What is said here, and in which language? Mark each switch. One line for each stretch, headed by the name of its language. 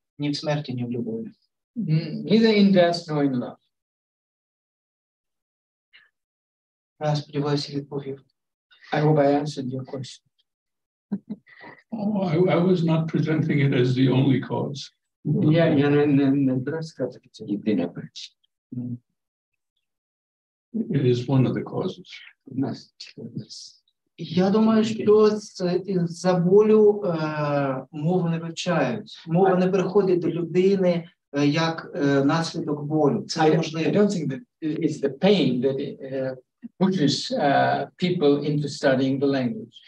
Ukrainian: Ні в смерті, ні в любові.
English: Neither in death, nor in love.
Ukrainian: Я сподіваюся, відповів.
English: I hope I answered your question. Oh, I was not presenting it as the only cause.
Ukrainian: Yeah, я не сказав, це єдина причина.
English: It is one of the causes.
Ukrainian: Я думаю, що з-за болю мова не вивчають. Мова не приходить до людини як наслідок болю. Це можливо.
English: I don't think that it's the pain that pushes people into studying the language.